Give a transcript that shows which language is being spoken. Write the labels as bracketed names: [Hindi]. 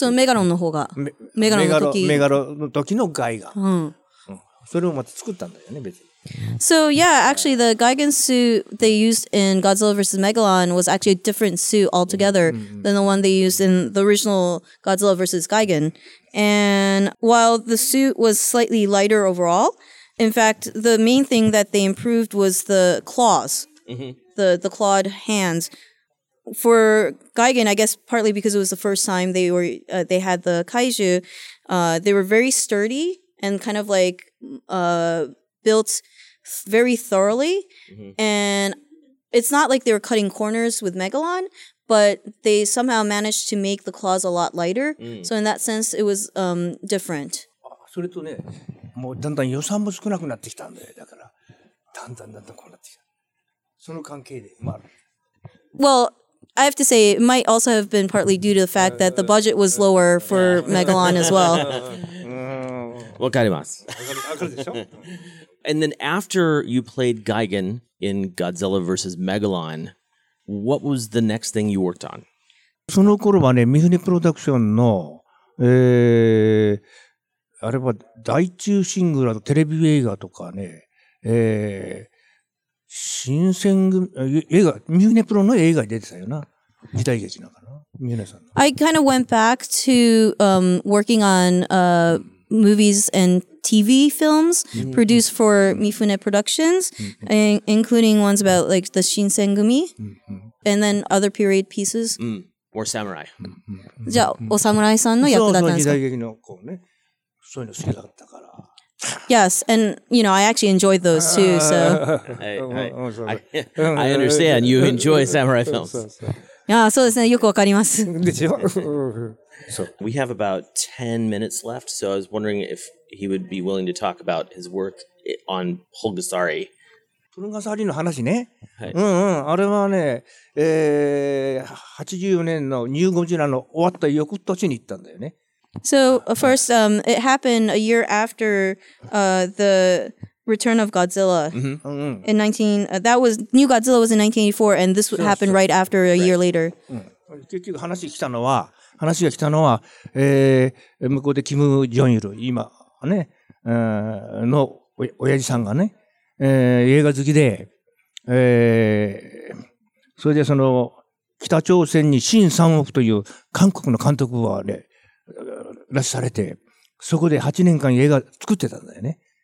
[Japanese] そのメガロンの方が、メガロンの時、メガロンの時のガイガン、うん、それをまた作ったんだよね、別に。 [English] So yeah, actually the Gigan suit they used in Godzilla vs. Megalon was actually a different suit altogether than the one they used in the original Godzilla vs. Gigan. And while the suit was slightly lighter overall, in fact, the main thing that they improved was the claws, the clawed hands. For Gigan, I guess partly because it was the first time they had the kaiju, they were very sturdy and kind of like built very thoroughly. Mm-hmm. And it's not like they were cutting corners with Megalon, but they somehow managed to make the claws a lot lighter. Mm. So in that sense, it was different. [Japanese] それとね、もうだんだん予算も少なくなってきたんだよ。だから、だんだんだんだんこうなってきた。その関係で、まあ。 [English] Well,I have to say, it might also have been partly due to the fact that the budget was lower for Megalon as well. [Japanese] わかります。 [English] And then after you played Gigan in Godzilla vs. Megalon, what was the next thing you worked on? [Japanese] その頃はね、ミフネプロダクションの、あれは大中シングルとテレビ映画とかね、新選組、映画、ミフネプロの映画に出てたよな。時代劇なのかな。ミフネさんの。 [English] I kind of went back to, working on, movies and TV films produced for Mifune Productions, including ones about like the Shin Sengumi, and then other period pieces. War Samurai. [Japanese] じゃあ、お侍さんの役だったんですか。そう、時代劇のこうね、そういうの好きだったから。 [English] Yes, and you know, I actually enjoyed those too, so. I understand, you enjoy samurai films. [Japanese] Ah, そうですね、よくわかります。でしょ。 [English] So we have about 10 minutes left, so I was wondering if he would be willing to talk about his work on Hulgasari. [Japanese] Hulgasari の話ね。あれはね、84年のニューゴジラの終わった翌年に行ったんだよね。 [English] So first, it happened a year after the Return of Godzilla in 19... that was, New Godzilla was in 1984, and this happened right after a year later. [Japanese] 結局話来たのは、話が来たのは、向こうでキム・ジョンイル、今ね、の親父さんがね、映画好きで、それでその北朝鮮にシン・サンオクという韓国の監督はね、らしされて、そこで8年間映画作ってたんだよね。